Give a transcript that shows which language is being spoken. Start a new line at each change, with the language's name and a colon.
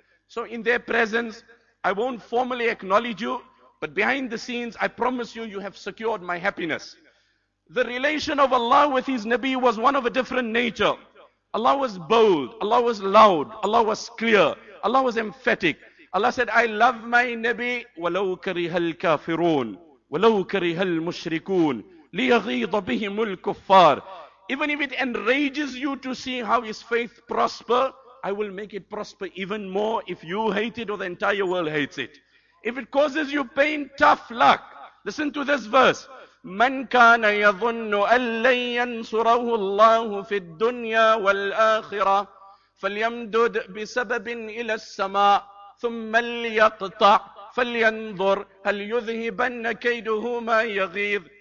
English: So in their presence, I won't formally acknowledge you, but behind the scenes, I promise you, you have secured my happiness. The relation of Allah with his Nabi was one of a different nature. Allah was bold, Allah was loud, Allah was clear, Allah was emphatic. Allah said, I love my Nabi,
Arabic: وَلَوْ كَرِهَ الْكَافِرُونَ وَلَوْ كَرِهَ الْمُشْرِكُونَ لِيَغِيضَ بِهِمُ الْكُفَّارِ.
English: Even if it enrages you to see how his faith prosper, I will make it prosper even more if you hate it or the entire world hates it. If it causes you pain, tough luck. Listen to this verse.
Arabic: مَنْ كَانَ يَظُنُّ أَنْ لَنْ يَنْصُرَهُ اللَّهُ فِي الدُّنْيَا وَالْآخِرَةِ فَلْيَمْدُدْ بِسَبَبٍ إِلَى السَّمَاءِ ثُمَّ لْيَقْطَعْ فَلْيَنْظُرْ هَلْ يُذْهِبَنَّ كَيْدُهُ مَا يَغِيظُ.